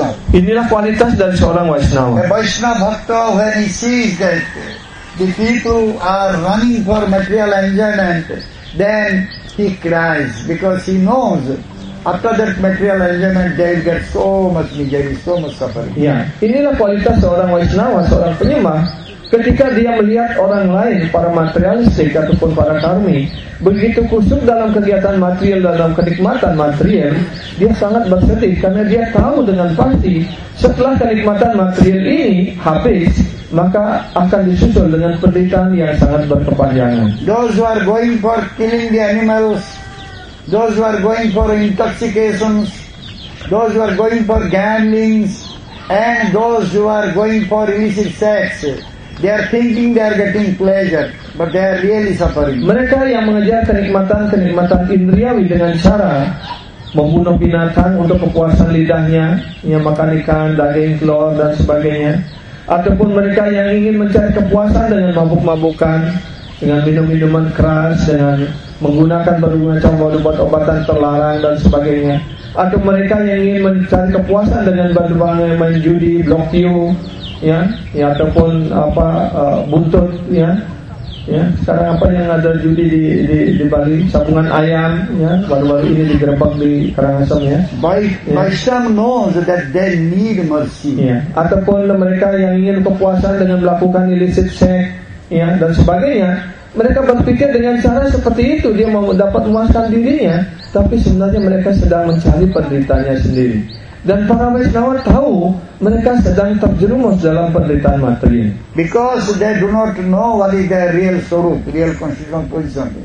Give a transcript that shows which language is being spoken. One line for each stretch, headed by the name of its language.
Indonesian: Inilah kualitas dari seorang Vaishnava.
English: Vaishnava bhakta, when he sees that the people are running for material enjoyment, then he cries because he knows after that material enjoyment they will get so much misery, so much suffering.
Indonesian: Ya, inilah kualitas seorang Vaishnava, seorang penyembah. Ketika dia melihat orang lain, para materialistik ataupun para karmi, begitu kusuk dalam kegiatan material, dalam kenikmatan material, dia sangat bersedih karena dia tahu dengan pasti setelah kenikmatan material ini habis, maka akan disusul dengan penderitaan yang sangat berkepanjangan.
English: Those who are going for killing the animals, those who are going for intoxications, those who are going for gambling, and those who are going for illicit sex, they are thinking they are getting pleasure, but they are really suffering.
Indonesian: Mereka yang mengejar kenikmatan-kenikmatan indriawi dengan cara membunuh binatang untuk kepuasan lidahnya, yang makan ikan, daging, telur, dan sebagainya, ataupun mereka yang ingin mencari kepuasan dengan mabuk-mabukan, dengan minum-minuman keras, dengan menggunakan berbagai macam obat-obatan terlarang dan sebagainya, atau mereka yang ingin mencari kepuasan dengan berbagai main judi, blok tio, ya, ya, ataupun apa buntut, ya, ya. Sekarang apa yang ada judi di Bali, sabungan ayam, ya, baru-baru ini digerebek di Karangasem, ya.
English: Vaishnava knows that they need mercy.
Indonesian: Ya. Ataupun mereka yang ingin kepuasan dengan melakukan
English: illicit sex,
Indonesian: ya, dan sebagainya, mereka berpikir dengan cara seperti itu dia mau dapat memuaskan dirinya, tapi sebenarnya mereka sedang mencari penderitaannya sendiri. Dan para Vaishnava tahu mereka sedang terjerumus dalam penderitaan material.
English: Because they do not know what is their real sorrow, real constituent position.